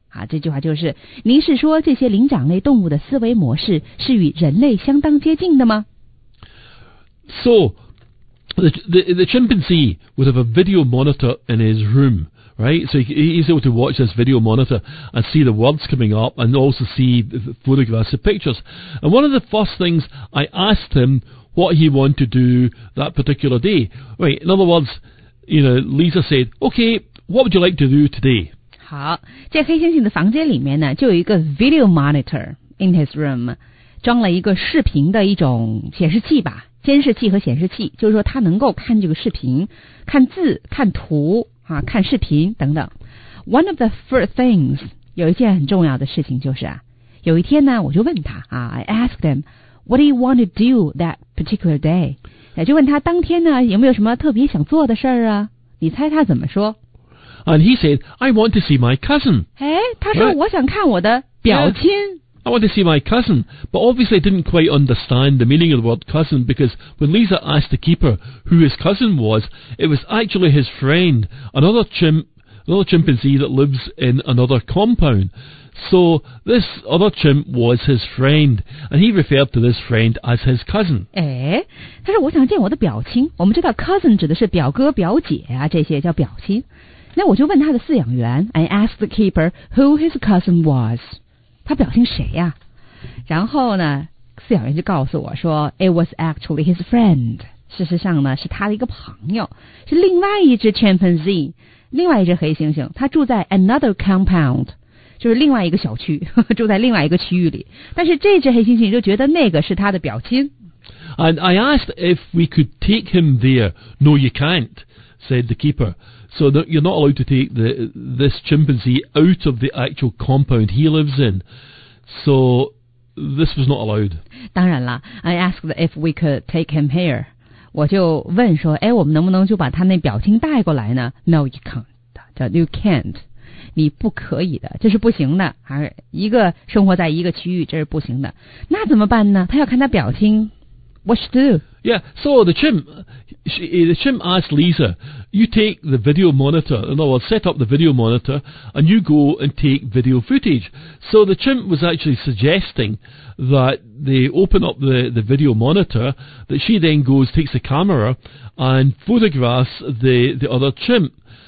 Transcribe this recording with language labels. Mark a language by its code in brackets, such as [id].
[zh] 啊，这句话就是，您是说这些灵长类动物的思维模式是与人类相当接近的吗 [en] ？So, the chimpanzee would have a video monitor in his room, right? So he's able to watch this video monitor and see the words coming up and also see the photographs, the pictures. And one of the first things I asked him what he wanted to do that particular day. Right? In other words, you know, Lisa said, "Okay, what would you like to do today?" [zh] 好，这黑猩猩的房间里面呢，就有一个 [en] video monitor in his room， [zh] 装了一个视频的一种显示器吧，监视器和显示器，就是说他能够看这个视频，看字、看图啊，看视频等等。 [en] One of the first things， [zh] 有一件很重要的事情就是啊，有一天呢，我就问他啊 ， [en] I asked him what do you want to do that particular day， [zh] 也就问他当天呢有没有什么特别想做的事儿啊？你猜他怎么说？ [en] And he said, I want to see my cousin. [zh] 诶，他说我想看我的表亲。 [en] I want to see my cousin. But obviously I didn't quite understand the meaning of the word cousin because when Lisa asked the keeper who his cousin was, it was actually his friend, another chimp, another chimpanzee that lives in another compound. So this other chimp was his friend, and he referred to this friend as his cousin. [zh] 哎，他说我想见我的表亲。我们知道 cousin 指的是表哥、表姐啊，这些叫表亲。那我就问他的饲养员 ， [en] I asked the keeper who his cousin was. [zh] 他表亲谁呀？然后呢，饲养员就告诉我说 ， [en] It was actually his friend. [zh] 事实上呢，是他的一个朋友，是另外一只 chimpanzee， 另外一只黑猩猩。他住在 [en] another compound。 [zh] 就是另外一个小区，住在另外一个区域里。但是这只黑猩猩就觉得那个是他的表亲。 [en] And I asked if we could take him there. No, you can't, said the keeper. So you're not allowed to take this chimpanzee out of the actual compound he lives in. So this was not allowed. [zh] 当然了 [en] ，I asked if we could take him here. [zh] 我就问说，哎，我们能不能就把他那表亲带过来呢 ？ [en] No, you can't. You can't. [zh] 你不可以的，这是不行的，而一个生活在一个区域，这是不行的。那怎么办呢？他要看他表亲。 [en] What should do? Yeah, so the chimp asked Lisa, you take the video monitor, in other words, set up the video monitor, and you go and take video footage. So the chimp was actually suggesting that they open up the video monitor, that she then goes, takes the camera, and photographs the other chimp.